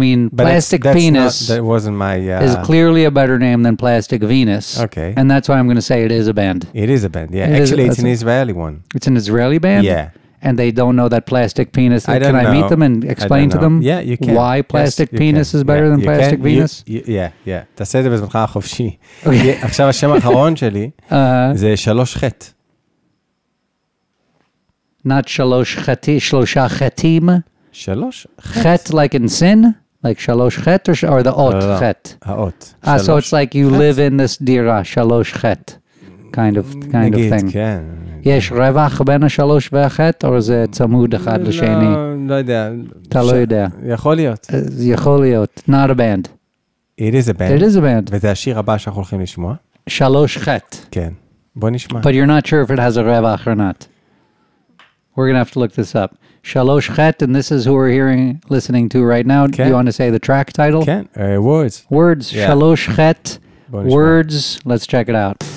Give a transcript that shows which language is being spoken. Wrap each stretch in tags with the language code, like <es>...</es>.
<en>Plastic Penis is clearly a better name than Plastic Venus. Okay. And that's why I'm going to say it is a band. It is a band, yeah. It's an Israeli one. It's an Israeli band? Yeah. And they don't know that Plastic Penis. I meet them and explain to them you can. Why Plastic Penis is better than Plastic Venus? Yeah.</en> <he>תעשה את זה בזמנך החופשי. עכשיו השם האחרון שלי זה שלוש חט.</he> <en>Not</en> <he>שלוש חטי, שלושה חטים. שלוש חט. חט</he> <en>like in sin? Like</en> <he>שלוש חט</he> <en>or the</en> <he>אות חט? האות.</he> <en>So it's like you live in this</en> <he>דירה, שלוש חט.</he> <en>kind of thing.</en> <he>יש רווח בין השלוש והחט, או זה צמוד אחד לשני? לא יודע. אתה לא יודע. יכול להיות. יכול להיות.</he> <en>Not a band. It is a band. It is a band.</en> <he>וזה השיר הבא שאנחנו הולכים לשמוע. שלוש חט. כן. בוא נשמע.</he> <en>But you're not sure if it has a</en> <he>רווח</he> <en>or not. We're going to have to look this up.</en> <he>שלוש חט,</he> <en>and this is who we're hearing, listening to right now.</en> <he>כן.</he> <en>Do you want to say the track title?</en> <he>כן.</he> <en>Words. Words. Yeah.</en> <he>שלוש חט.</he> <en>Words. Let's check it out.</en>